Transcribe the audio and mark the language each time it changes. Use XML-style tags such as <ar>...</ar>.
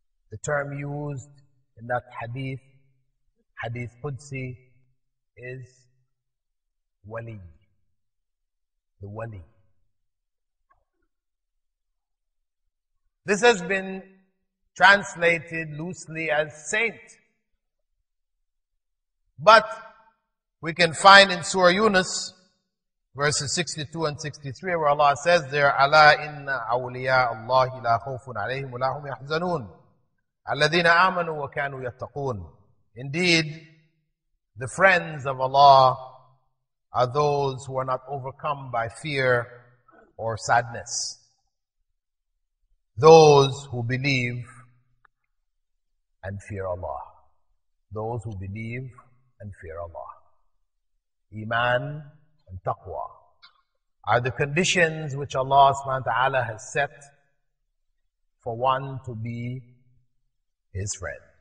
<en>The term used in that hadith, Hadith Qudsi, is wali. The wali. This has been translated loosely as saint. But we can find in Surah Yunus, verses 62 and 63, where Allah says there,</en> <ar>أَلَا إِنَّ أَوْلِيَاءَ اللَّهِ لَا خَوْفٌ عَلَيْهِمْ وَلَا هُمْ يَحْزَنُونَ الَّذِينَ آمَنُوا وَكَانُوا يَتَّقُونَ.</ar> <en>Indeed, the friends of Allah are those who are not overcome by fear or sadness. Those who believe and fear Allah. Those who believe and fear Allah. Iman and taqwa are the conditions which Allah subhanahu wa ta'ala has set for one to be his friend.</en>